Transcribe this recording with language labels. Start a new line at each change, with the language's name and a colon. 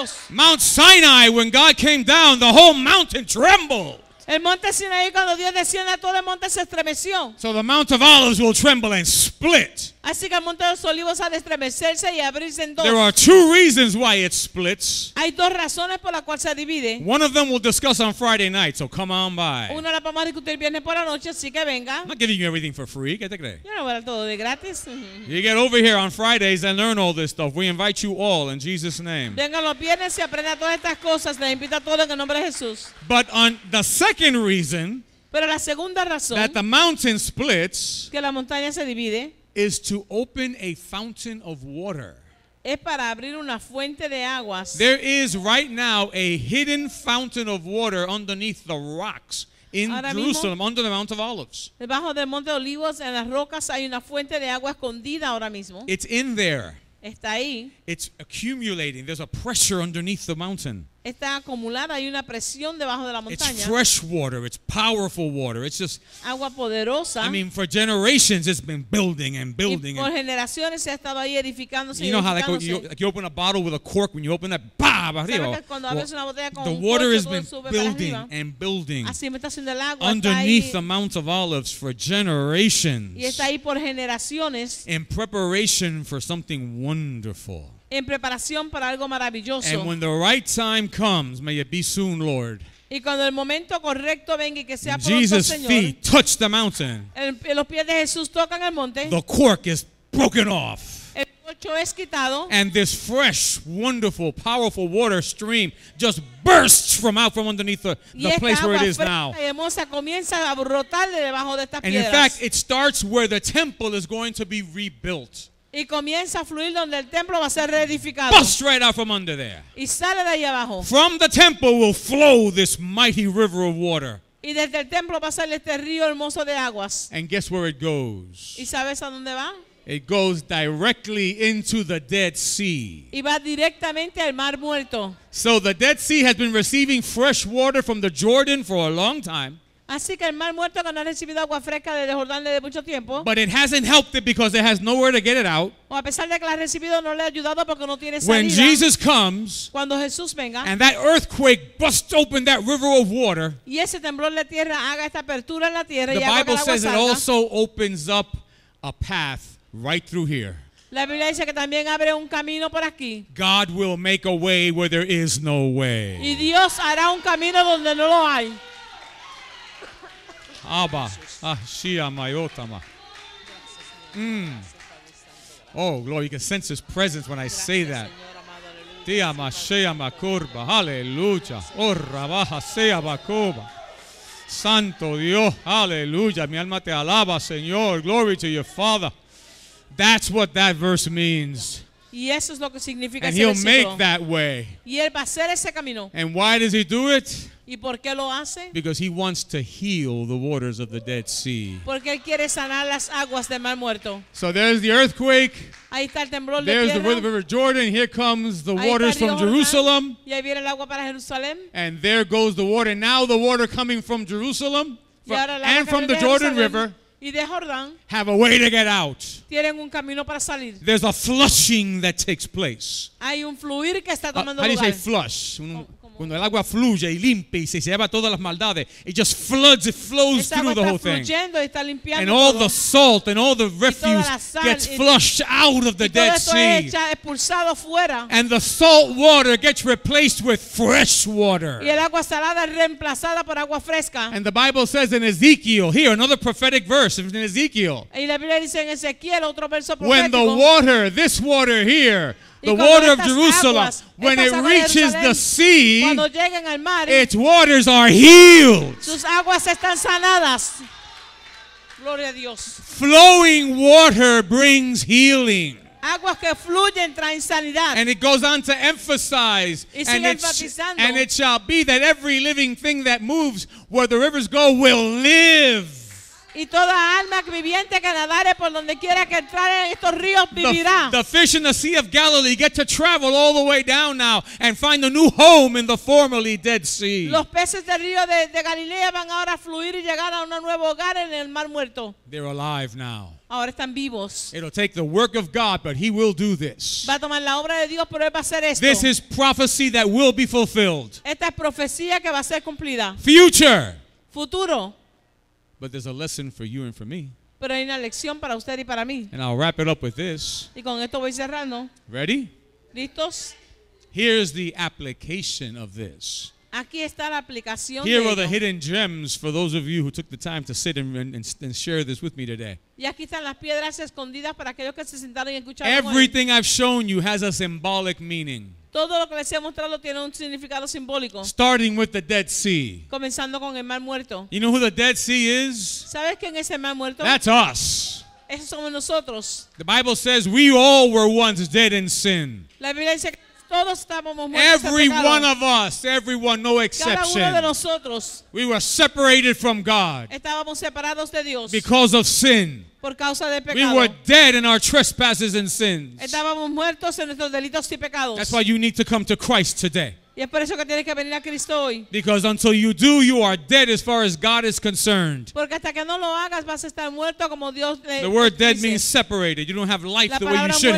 English: Mount Sinai, when God came down, the whole mountain trembled.
Spanish: El monte Sinaí, cuando Dios desciende, todo el monte se estremeció.
English: So the Mount of Olives will tremble and split.
Spanish: Así que el monte de los olivos ha de estremecerse y abrirse en dos.
English: There are two reasons why it splits.
Spanish: Hay dos razones por las cuales se divide.
English: One of them we'll discuss on Friday night, so come on by.
Spanish: Una la vamos a discutir viernes por la noche, así que venga.
English: I'm not giving you everything for free.
Spanish: ¿Qué te crees? Yo no voy a dar todo de gratis.
English: You get over here on Fridays and learn all this stuff. We invite you all in Jesus' name.
Spanish: Venga los viernes y aprenda todas estas cosas. Les invito a todos en el nombre de Jesús.
English: But on the second reason,
Spanish: pero la segunda razón,
English: that the mountain splits,
Spanish: que la montaña se divide,
English: is to open a fountain of water.
Spanish: Es para abrir una fuente de aguas.
English: There is right now a hidden fountain of water underneath the rocks in
Spanish: Ahora
English: Jerusalem,
Spanish: mismo,
English: under the Mount of Olives.
Spanish: Debajo del Monte de Olivos, en las rocas, hay una fuente de agua escondida ahora mismo.
English: It's in there.
Spanish: Está ahí.
English: It's accumulating. There's a pressure underneath the mountain.
Spanish: Está acumulada, hay una presión debajo de la montaña.
English: It's fresh water, it's powerful water. It's just
Spanish: agua poderosa.
English: I mean, for generations it's been building and building.
Spanish: Y por generaciones se ha estado ahí edificándose.
English: You know how like you open a bottle with a cork, when you open that, bah,
Spanish: abajo. Cuando abres una botella con un
English: the water has been building and building.
Spanish: Así me está haciendo el agua.
English: Underneath the Mount of Olives for generations.
Spanish: Y está ahí por generaciones.
English: In preparation for something wonderful.
Spanish: En preparación para algo maravilloso.
English: And when the right time comes, may it be soon, Lord.
Spanish: Y cuando el momento correcto venga y que sea pronto,
English: Jesus'
Spanish: Señor,
English: feet touch the mountain.
Spanish: Los pies de Jesús tocan el monte.
English: The cork is broken off.
Spanish: El corcho es quitado.
English: And this fresh, wonderful, powerful water stream just bursts from out from underneath the place where it is now.
Spanish: Y hermosa comienza a brotar de debajo de estas piedras.
English: And in fact, it starts where the temple is going to be rebuilt.
Spanish: Y comienza a fluir donde el templo va a ser reedificado.
English: Bust right out from under there.
Spanish: Y sale de ahí abajo.
English: From the temple will flow this mighty river of water.
Spanish: Y desde el templo va a salir este río hermoso de aguas.
English: And guess where it goes?
Spanish: ¿Y sabes a dónde va?
English: It goes directly into the Dead Sea.
Spanish: Y va directamente al Mar Muerto.
English: So the Dead Sea has been receiving fresh water from the Jordan for a long time.
Spanish: Así que el Mar Muerto que no ha recibido agua fresca desde Jordán desde mucho tiempo.
English: But it hasn't helped it because it has nowhere to get it out.
Spanish: O a pesar de que la ha recibido no le ha ayudado porque no tiene salida.
English: When Jesus comes,
Spanish: cuando Jesús venga,
English: and that earthquake busts open that river of water,
Spanish: y ese temblor de tierra haga esta apertura en la tierra y haga que el agua salga.
English: The Bible says it also opens up a path right through here.
Spanish: La Biblia dice que también abre un camino por aquí.
English: God will make a way where there is no way.
Spanish: Y Dios hará un camino donde no lo hay. Abba, ah, Shia Mayotama. Mm.
English: Oh, Lord, you can sense His presence when I say that. Tia Mashia Makurba, hallelujah. Orra baja sea bakuba.
Spanish: Santo Dios, hallelujah. Mi alma te alaba, Señor.
English: Glory to your Father. That's what that verse means.
Spanish: Y eso es lo que significa.
English: And He'll make that way.
Spanish: Y él va a hacer ese camino.
English: And why does He do it?
Spanish: ¿Y por qué lo hace?
English: Because He wants to heal the waters of the Dead Sea.
Spanish: Porque él quiere sanar las aguas del Mar Muerto.
English: So there's the earthquake.
Spanish: Ahí está el temblor de
English: there's
Spanish: tierra.
English: The river Jordan. Here comes the waters from Jerusalem.
Spanish: Y ahí viene el agua para Jerusalén.
English: And there goes the water. Now the water coming from Jerusalem and from the Jordan River
Spanish: y de Jordán
English: have a way to get out.
Spanish: Tienen un camino para salir.
English: There's a flushing that takes place.
Spanish: Hay un fluir que está tomando lugar.
English: How do you say flush?
Spanish: Cuando el agua fluye y limpia y se lleva todas las maldades,
English: it just floods, it flows through the whole thing.
Spanish: Está limpiando
English: and all
Spanish: todo.
English: The salt and all the refuse gets flushed out of the Dead Sea.
Spanish: Hecha, expulsado fuera.
English: And the salt water gets replaced with fresh water.
Spanish: Y el agua salada reemplazada por agua fresca.
English: And the Bible says in Ezekiel, here another prophetic verse in Ezekiel,
Spanish: y la Biblia dice en Ezequiel, otro verso profético,
English: when the water, this water here, the water of Jerusalem, when it reaches the sea, its waters are healed.
Spanish: Sus aguas están sanadas. Gloria a Dios.
English: Flowing water brings healing.
Spanish: Aguas que fluyen traen sanidad.
English: And it goes on to emphasize, and it shall be that every living thing that moves where the rivers go will live.
Spanish: y toda alma viviente que nadare por donde quiera que entrare en estos ríos vivirá.
English: The fish in the Sea of Galilee get to travel all the way down now and find a new home in the formerly dead sea.
Spanish: Los peces del río de Galilea van ahora a fluir y llegar a un nuevo hogar en el mar muerto.
English: They're alive now.
Spanish: Ahora están vivos.
English: It'll take the work of God, but he will do this.
Spanish: Va a tomar la obra de Dios, pero él va a hacer esto.
English: This is prophecy that will be fulfilled.
Spanish: Esta es profecía que va a ser cumplida.
English: Future.
Spanish: Futuro.
English: But there's a lesson for you and for me.
Spanish: Pero hay una lección para usted y para mí.
English: And I'll wrap it up with this.
Spanish: Y con esto voy cerrando.
English: Ready?
Spanish: ¿Listos?
English: Here's the application of this.
Spanish: Aquí está la aplicación.
English: Here
Spanish: de
English: are the hidden gems for those of you who took the time to sit and share this with me today.
Spanish: Y aquí están las piedras escondidas para aquellos que se sentaron y escucharon.
English: Everything I've shown you has a symbolic meaning.
Spanish: Todo lo que les he mostrado tiene un significado simbólico.
English: Starting with the Dead Sea.
Spanish: Comenzando con el Mar Muerto.
English: You know who the Dead Sea is?
Spanish: ¿Sabes quién es el Mar Muerto?
English: That's us.
Spanish: Esos somos nosotros.
English: The Bible says we all were once dead in sin.
Spanish: La Biblia dice que todos estábamos muertos.
English: Every one of us, everyone, no exception.
Spanish: Cada uno de nosotros.
English: We were separated from God.
Spanish: Estábamos separados de Dios.
English: Because of sin.
Spanish: Por causa del pecado.
English: We were dead in our trespasses and sins.
Spanish: Estábamos muertos en nuestros delitos y pecados.
English: That's why you need to come to Christ today.
Spanish: Y es por eso que tienes que venir a Cristo hoy.
English: Because until you do, you are dead as far as God is concerned.
Spanish: Porque hasta que no lo hagas, vas a estar muerto como Dios le dice.
English: The word dead means separated. You don't have life the way you should have.